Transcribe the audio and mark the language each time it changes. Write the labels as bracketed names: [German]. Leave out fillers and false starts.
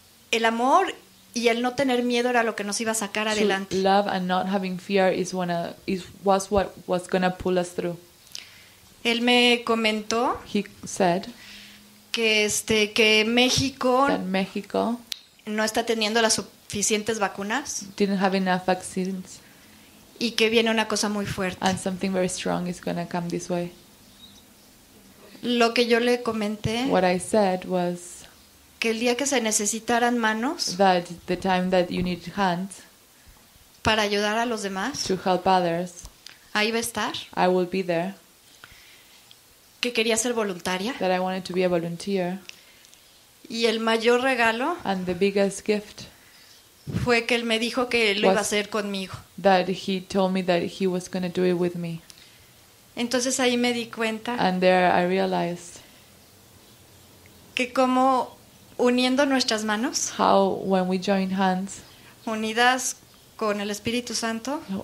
[Spanish] El amor y el no tener miedo era lo que nos iba a sacar adelante. [English] So love and not having fear was what was gonna pull us through. [Spanish] Él me comentó. [English] He said [Spanish] que México. [English] That Mexico [Spanish] no está teniendo las suficientes vaccines. [English] Didn't have enough vaccines. [Spanish] Y que viene una cosa muy fuerte. [English] And something very strong is gonna come this way. [Spanish] Lo que yo le comenté. [English] What I said was. [Spanish] Que el día que se necesitaran manos, [English] that the time that you need hands, [Spanish] para ayudar a los demás, [English] to help others, [Spanish] ahí va a estar. [English] I will be there. [Spanish] Que quería ser voluntaria. [English] That I wanted to be a volunteer. [Spanish] Y el mayor regalo, [English] and the biggest gift, [Spanish] fue que él me dijo que lo iba a hacer conmigo. [English] That he told me that he was going to do it with me. [Spanish] Entonces ahí me di cuenta. [English] And there I realized [Spanish] que como uniendo nuestras manos. [English] How when we join hands. [Spanish] Unidas con el Espíritu Santo.